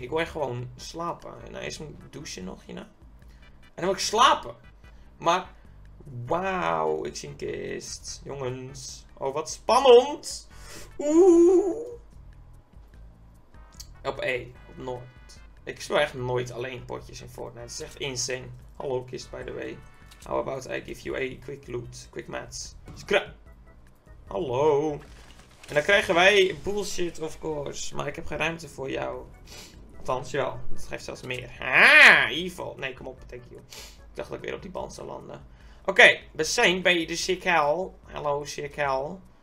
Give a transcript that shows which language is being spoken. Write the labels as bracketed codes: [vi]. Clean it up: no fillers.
[nl] Ik wil echt gewoon slapen. En dan is mijn douche nog, hierna. En dan wil ik slapen. Maar, wauw, ik zie een kist. Jongens, oh wat spannend. Oeh. Op E, op Noord. Ik speel echt nooit alleen potjes in Fortnite. Het is echt insane. Hallo kist, [en] by the way. How about I give you a quick loot? Quick mats. Scrap. [nl] Hallo. En dan krijgen wij bullshit, [en] of course. [nl] Maar ik heb geen ruimte voor jou. Althans, jawel. Dat geeft zelfs meer. Ha, evil. Nee, kom op. [en] Thank you. [nl] Ik dacht dat ik weer op die band zou landen. Oké, we zijn bij de sick hell. Hallo, sick hell.